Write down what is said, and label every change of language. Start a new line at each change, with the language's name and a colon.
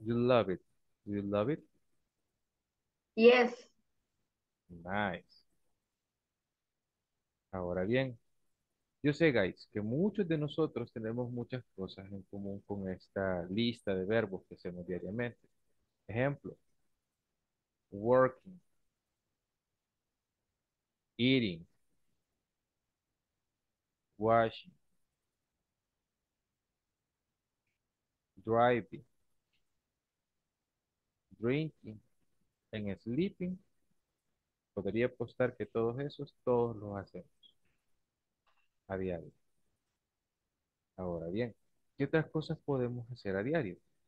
English: you love it. You love it. Yes. Nice.
Spanish: Ahora bien, yo sé, guys, que muchos de nosotros tenemos muchas cosas en común con esta lista de verbos que hacemos diariamente.
English: Ejemplo, working, eating, washing, driving, drinking, and sleeping.
Spanish: Podría apostar que todos esos, todos los hacemos a diario. Ahora bien, ¿qué otras cosas podemos hacer a diario?